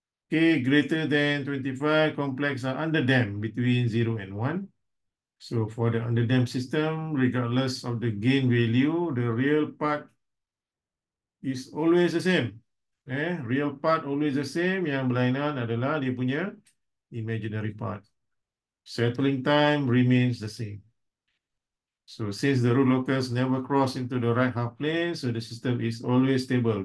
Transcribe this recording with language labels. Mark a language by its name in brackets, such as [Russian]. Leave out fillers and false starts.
[English] K greater than 25, complex are underdamped between 0 and 1. So for the underdamped system, regardless of the gain value, the real part is always the same. Eh, real part always the same. [Malay] Yang berlainan adalah dia punya imaginary part. [English] Settling time remains the same. So since the root locus never cross into the right half plane, so the system is always stable.